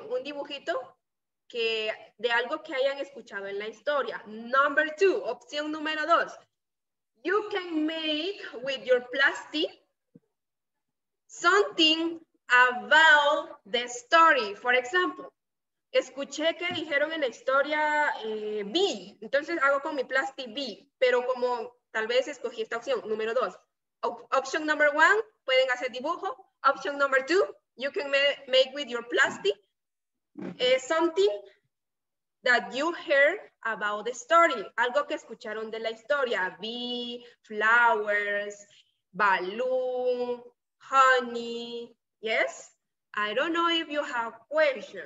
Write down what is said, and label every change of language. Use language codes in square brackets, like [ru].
[es] Un dibujito que de algo que hayan escuchado en la historia. [en] Number two. [es] Opción número dos. [en] You can make with your plastic something about the story. For example, [es] escuché que dijeron en la historia B. Entonces hago con mi plastic B. Pero como tal vez escogí esta opción, número dos. [en] Option number one, [es] pueden hacer dibujo. [en] Option number two, you can make with your plastic something that you heard about the story. [es] Algo que escucharon de la historia. [en] Bee, flowers, balloon, honey. Yes? I don't know if you have questions.